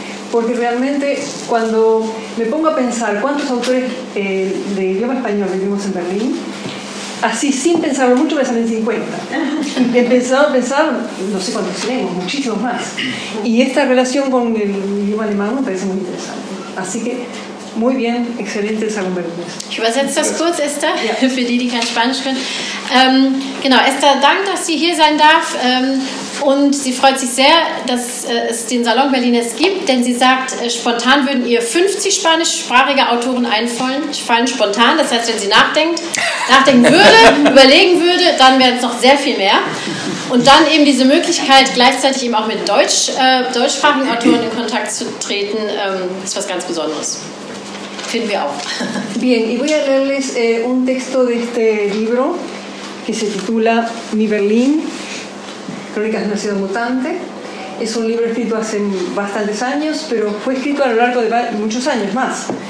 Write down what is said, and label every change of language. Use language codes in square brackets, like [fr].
[es] Porque realmente, cuando me pongo a pensar cuántos autores de idioma español vivimos en Berlín, así sin pensarlo mucho, me salen 50. He pensado, no sé cuántos tenemos, muchísimos más. Y esta relación con el idioma alemán me parece muy interesante. Así que, muy bien, excelente Salón Berlín. [de] Ich übersetze das kurz, Esther, für die, die kein Spanisch können. Genau, Esther, danke, dass Sie hier sein darf. Und sie freut sich sehr, dass es den Salon Berlines gibt, denn sie sagt, spontan würden ihr 50 spanischsprachige Autoren einfallen, spontan. Das heißt, wenn sie nachdenken würde, überlegen würde, dann wären es noch sehr viel mehr. Und dann eben diese Möglichkeit, gleichzeitig eben auch mit deutschsprachigen Autoren in Kontakt zu treten, ist was ganz Besonderes. Finden wir auch. [es] Bien, y voy a leerles un texto de este libro, que se titula Mi Berlín. Crónicas de una ciudad mutante. Es un libro escrito hace bastantes años, pero fue escrito a lo largo de muchos años más.